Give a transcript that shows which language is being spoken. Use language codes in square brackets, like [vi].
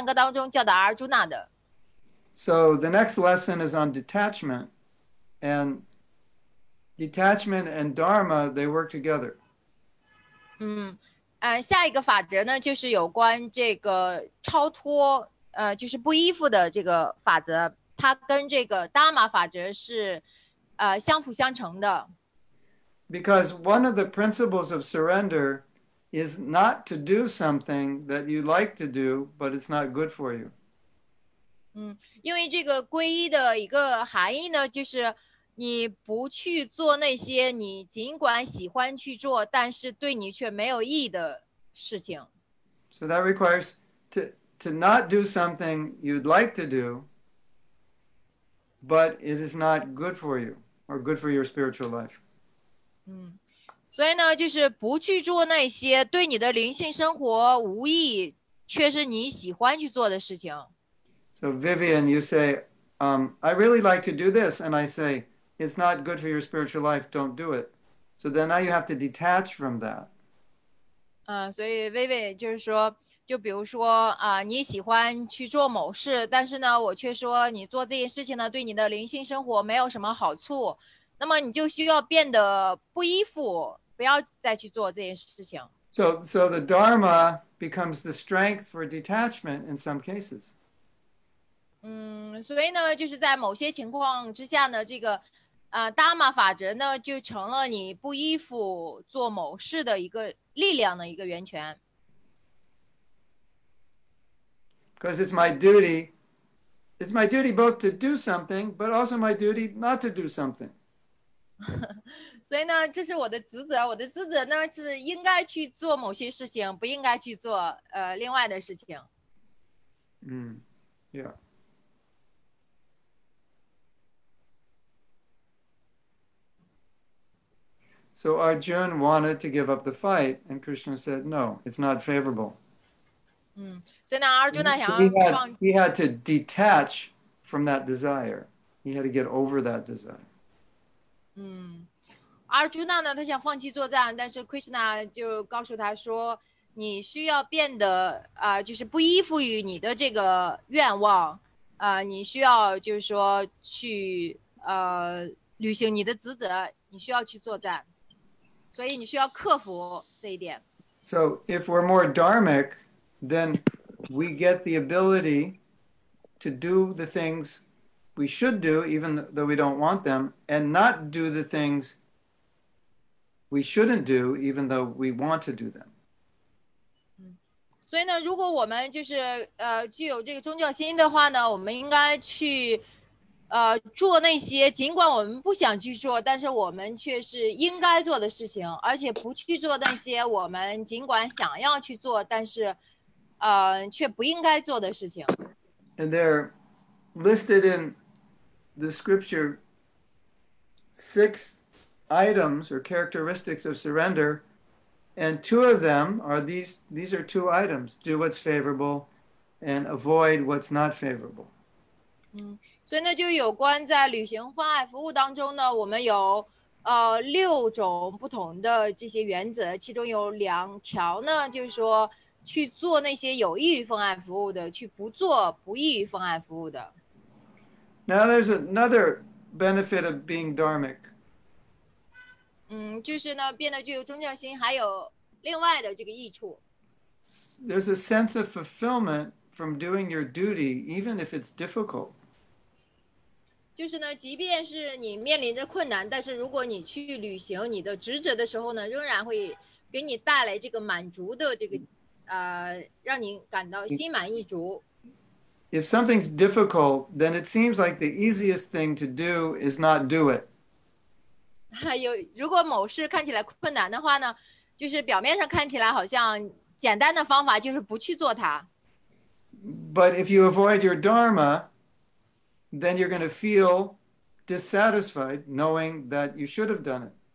[zh] 所以呢，我们应该谨记这一点，就是说我之所以去做这件事情，因为这是我应该做的，而且这是正确的事情，这也是Krishna在《薄伽梵歌》当中教导阿尔朱纳的。 [en] So the next lesson is on detachment, and detachment and dharma, they work together. [zh] 下一个法则呢，就是有关这个超脱，就是不依附的这个法则，它跟这个达玛法则是，相辅相成的。 [en] Because one of the principles of surrender is not to do something that you like to do, but it's not good for you. [zh] 因为这个皈依的一个含义呢，就是你不去做那些你尽管喜欢去做，但是对你却没有意义的事情。 [en] So that requires to not do something you'd like to do, but it is not good for you or good for your spiritual life. [zh] 所以呢，就是不去做那些对你的灵性生活无益，却是你喜欢去做的事情。 [en] So Vivian, you say, I really like to do this, and I say, it's not good for your spiritual life, don't do it. So then now you have to detach from that. [zh] 所以 Vivian 就是说，就比如说，你喜欢去做某事，但是呢，我却说你做这件事情呢，对你的灵性生活没有什么好处。那么你就需要变得不依附，不要再去做这件事情。 [en] So the Dharma becomes the strength for detachment in some cases. [zh] 所以呢，就是在某些情况之下呢，这个Dharma法则呢，就成了你不依附做某事的一个力量的一个源泉。 [en] Because it's my duty both to do something, but also my duty not to do something. [zh] 所以呢，这是我的职责。我的职责呢是应该去做某些事情，不应该去做另外的事情。 [en] So Arjun wanted to give up the fight, and Krishna said, "No, it's not favorable." [zh] 所以呢，阿尔朱纳想要 [en] He had to detach from that desire. He had to get over that desire. [zh] 阿尔朱纳呢，他想放弃作战，但是 Krishna 就告诉他说，你需要变得就是不依附于你的这个愿望，你需要就是说去履行你的职责，你需要去作战，所以你需要克服这一点。 [en] So if we're more dharmic, then we get the ability to do the things we should do, even though we don't want them, and not do the things we shouldn't do, even though we want to do them. [zh] 所以呢，如果我们就是具有这个宗教心的话呢，我们应该去做那些尽管我们不想去做，但是我们却是应该做的事情，而且不去做那些我们尽管想要去做，但是却不应该做的事情。 [en] And they're listed in the scripture six. Items or characteristics of surrender, and two of them are these are two items: do what's favorable and avoid what's not favorable. [zh] 所以呢，就有关在旅行方案服务当中呢，我们有六种不同的这些原则，其中有两条呢，就是说去做那些有益于方案服务的，去不做不益于方案服务的。 [en] Now there's another benefit of being dharmic. [zh] 就是呢，变得具有宗教心，还有另外的这个益处。 [en] There's a sense of fulfillment from doing your duty, even if it's difficult. [zh] 就是呢，即便是你面临着困难，但是如果你去履行你的职责的时候呢，仍然会给你带来这个满足的这个，让你感到心满意足。 [en] If something's difficult, then it seems like the easiest thing to do is not do it. [zh] 如果某事看起来困难的话呢，就是表面上看起来好像简单的方法就是不去做它。 [en] But if you avoid your dharma, then you're going to feel dissatisfied knowing that you should have done it.